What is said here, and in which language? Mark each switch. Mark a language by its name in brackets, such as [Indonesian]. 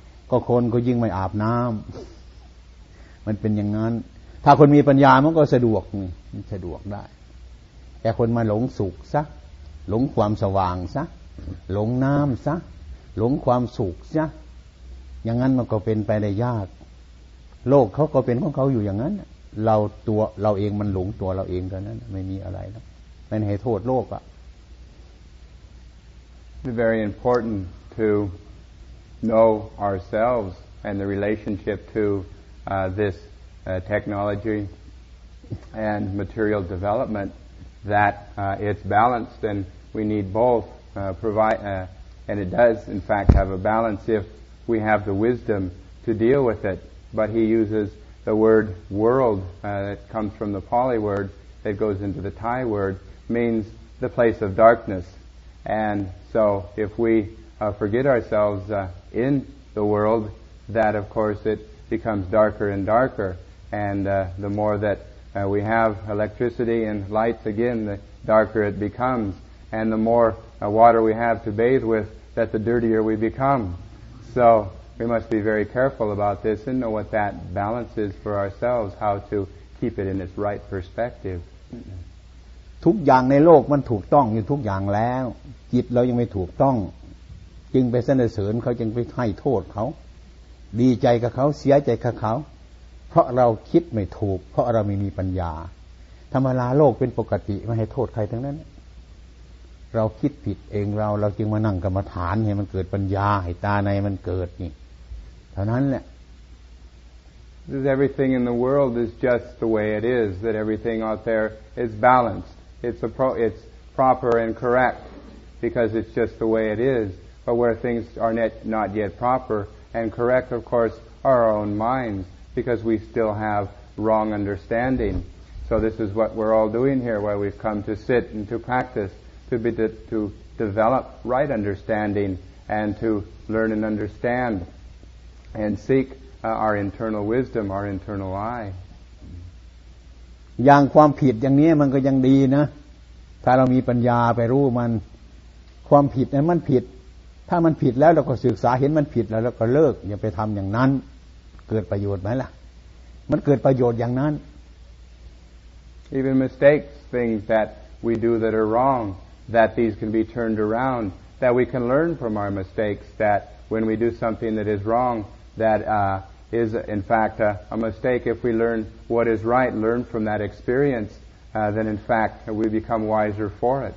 [Thai] ก็คนก็ยิ่งไม่อาบน้ำมันเป็นอย่างนั้นถ้าคนมีปัญญามันก็สะดวกนี่มันสะดวกได้แต่คนมาหลงสุขซะหลงความสว่างซะหลงน้ำซะหลงความสุขซะอย่างนั้นมันก็เป็นไปได้ยากโลกเขาก็เป็นของเขาอยู่อย่างนั้นเราตัวเราเองมันหลงตัวเราเองกันนั้นไม่มีอะไรแล้วมันให้โทษโลกอ่ะ [English] Very important to know ourselves and the relationship to this technology and material development. That it's balanced, and we need both. And it does, in fact, have a balance if we have the wisdom to deal with it. But he uses the word "world" that comes from the Pali word that goes into the Thai word, means the place of darkness, and. So if we forget ourselves in the world, that of course it becomes darker and darker. And the more that we have electricity and lights again, the darker it becomes. And the more water we have to bathe with, that the dirtier we become. So we must be very careful about this and know what that balance is for ourselves, how to keep it in its right perspective. [Thai] ทุกอย่างในโลกมันถูกต้องอยู่ทุกอย่างแล้วจิตเรายังไม่ถูกต้องจึงไปสรรเสริญเขาจึงไปให้โทษเขาดีใจกับเขาเสียใจกับเขาเพราะเราคิดไม่ถูกเพราะเราไม่มีปัญญาธรรมดาโลกเป็นปกติไม่ให้โทษใครทั้งนั้นเราคิดผิดเองเราจึงมานั่งกรรมฐานให้มันเกิดปัญญาให้ตาในมันเกิดนี่เท่านั้นแหละ [English] This everything in the world is just the way it is that everything out there is balancedIt's proper and correct because it's just the way it is. But where things are not yet proper and correct, of course, are our own minds because we still have wrong understanding. So this is what we're all doing here, why we've come to sit and to practice, to develop right understanding and to learn and understand and seek our internal wisdom, our internal eye. [Thai] อย่างความผิดอย่างนี้มันก็ยังดีนะถ้าเรามีปัญญาไปรู้มันความผิดนั้นมันผิดถ้ามันผิดแล้วเราก็ศึกษาเห็นมันผิดแล้วเราก็เลิกอย่าไปทำอย่างนั้นเกิดประโยชน์ไหมล่ะมันเกิดประโยชน์อย่างนั้น [English] Even mistakes, things that we do that are wrong, that these can be turned around, that we can learn from our mistakes, that when we do something that is wrong, thatIs in fact a mistake. If we learn what is right, learn from that experience, then in fact we become wiser for it.